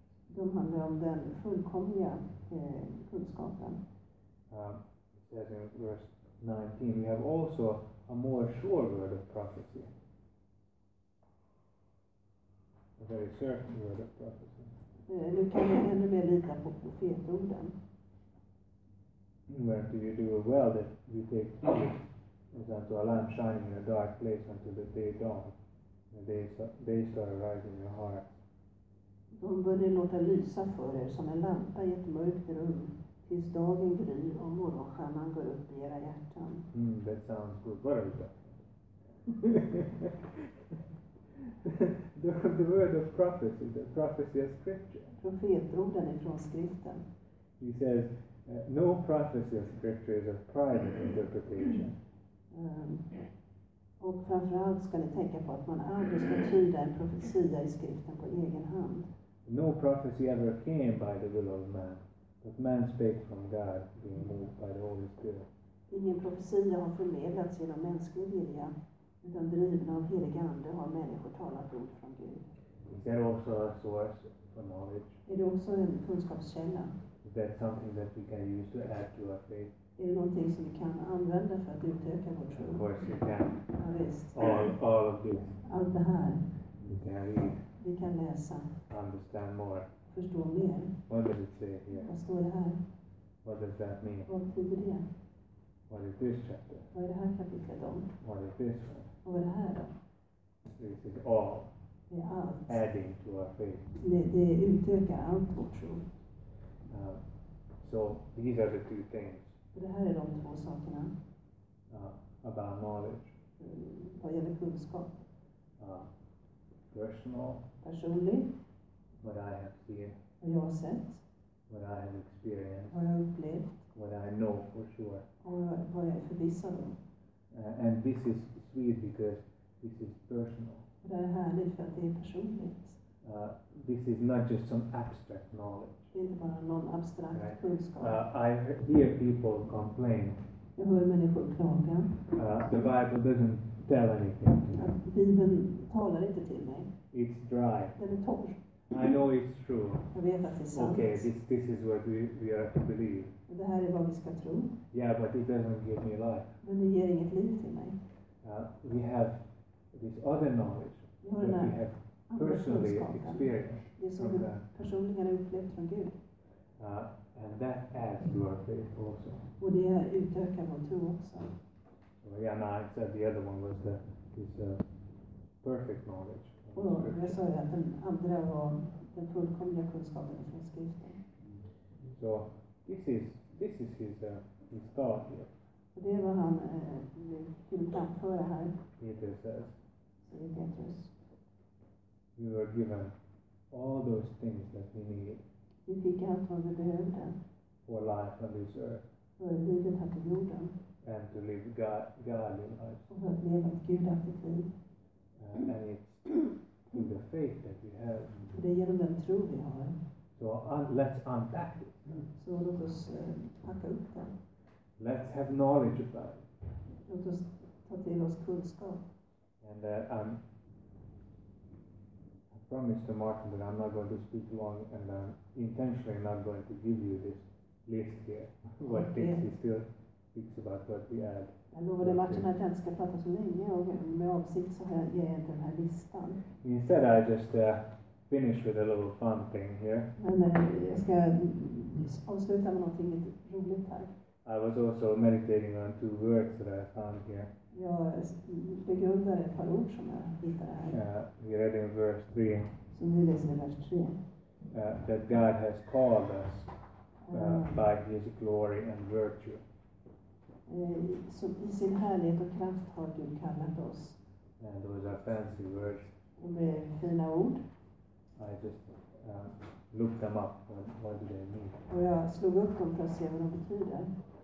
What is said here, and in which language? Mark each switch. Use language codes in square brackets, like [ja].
[sv] De handlar om den fullkomliga kunskapen. [en] Says in verse 19, we have also a more sure word of prophecy. A very certain word of prophecy. [sv] Nu kan jag ännu mer lita på profetorden. [en] Where do you do well that you take heed as unto a lamp shining in a dark place until the day dawn, and they start arising in your heart. [sv] De börjar låta lysa för er som en lampa i ett mörkt rum. Tills dagen gryr och morgonstjärnan går upp i era hjärtan. [en] That sounds good. What are we talking about? The word of prophecy, the prophecy of scripture. [sv] Profetorden ifrån skriften. [en] He says, no prophecy of scripture is a private interpretation. [sv] Och framförallt ska ni tänka på att man aldrig ska tyda en profetia i skriften på egen hand. [en] No prophecy ever came by the will of man. But man spake from God, being moved by the Holy Spirit. [sv] Ingen profetia har förmedlats genom mänsklig vilja, utan driven av helig ande har människor talat ord från Gud. [en] Is that also a source for knowledge? [sv] Är det också en kunskapskälla? [en] Is that something that we can use to add to our faith? [sv] Är det någonting som vi kan använda för att utöka vår tro? [en] Of course you can. [sv] Ja, visst. [en] All of this. [sv] Allt det här. [en] We can read. [sv] Vi kan läsa. [en] Understand more. [sv] Förstå mer. [en] What does it say here? [sv] Vad står det här? [en] What does that mean? [sv] Vad betyder det? [en] What is this chapter? [sv] Vad är det här kapitlet om? [en] What is this one? [sv] Och vad är det här då? [en] This is all. [sv] Det är allt. [en] Adding to our faith. [sv] Det utökar allt vår tro. [en] So these are the two things. [sv] Det här är de två sakerna. [en] About knowledge. [sv] Vad gäller kunskap. [en] Personal. [sv] Personlig. [en] What I have seen. [sv] Vad jag har sett. [en] What I have experienced. [sv] Vad jag har upplevt. [en] What I know for sure. [sv] Och vad jag är förvissad om. [en] And this is sweet because this is personal. [sv] Det är härligt för att det är personligt. [en] This is not just some abstract knowledge. [sv] Det är inte bara någon abstrakt kunskap. [en] I hear people complain. [sv] Jag hör människor klaga. [en] The Bible doesn't tell anything. [sv] Bibeln talar inte till mig. [en] It's dry. [sv] Den är torr. [en] I know it's true. [sv] Jag vet att det är sant. [en] Okay, this is what we are to believe. [sv] Det här är vad vi ska tro. [en] Yeah, but it doesn't give me life. [sv] Men det ger inget liv till mig. [en] We have this other knowledge that we have personally experienced. [sv] Det som vi personligen har upplevt från Gud. [en] And that adds to our faith also. [sv] Och det utökar vår tro också. [en] Well, yeah, no, I said the other one was perfect knowledge. [sv] Och jag sa ju att den andra var den fullkomliga kunskapen från skriften. [en] So this is his thought here. [sv] Och det var han vill framföra här. [en] Peter says. [sv] Säger Petrus. [en] You were given all those things that we need. [sv] Vi fick allt vad vi behövde. [en] For life on this earth. [sv] För livet här på jorden. [en] And to live godly life. [sv] Och att leva ett gudaktigt liv. [en] And it's through the faith that we have. [sv] För det är genom den tro vi har. [en] So let's unpack it. [sv] Så låt oss packa upp det. [en] Let's have knowledge about it. [sv] Låt oss ta till oss kunskap. [en] And I promised to Martin that I'm not going to speak long, and I'm intentionally not going to give you this list here. What things he still speaks about, what we add. [sv] Jag lovade Martin att jag inte ska prata så länge, och med avsikt så ger jag inte den här listan. [en] Instead I just finish with a little fun thing here. [sv] Jag ska avsluta med någonting lite roligt här. [en] I was also meditating on two words that I found here. [sv] Jag begrundade ett par ord som jag hittade här. [en] We read in verse 3. [sv] Som vi läser i vers 3. [en] That God has called us by his glory and virtue. [sv] Som i sin härlighet och kraft har Gud kallat oss. [en] And those are fancy words. [sv] Och med fina ord. [en] I just looked them up. What do they mean? [sv] Och jag slog upp dem för att se vad de betyder.